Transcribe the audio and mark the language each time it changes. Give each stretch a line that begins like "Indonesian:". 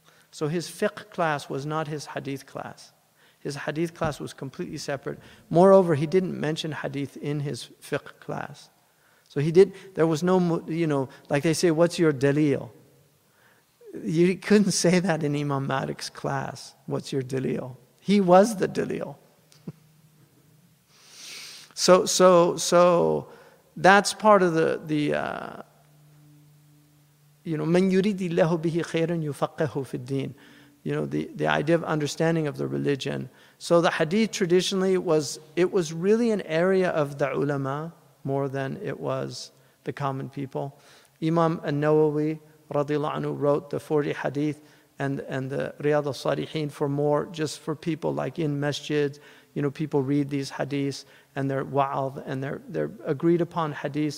English: So his fiqh class was not his hadith class. His hadith class was completely separate. Moreover, he didn't mention hadith in his fiqh class. So he did. There was no, you know, like they say, "What's your dalil?" You couldn't say that in Imam Malik's class. "What's your dalil?" He was the dalil. So that's part of the
Arabic: "من يريد الله به خيرا يفقهه في الدين."
English: You know, the idea of understanding of the religion. So the hadith traditionally was really an area of the ulama more than it was the common people. Imam An-Nawawi radiallahu anhu wrote the 40 hadith and the Riyad al-Salihin for more, just for people like in masjid, you know, people read these hadiths and they're wa'adh and they're agreed upon hadiths.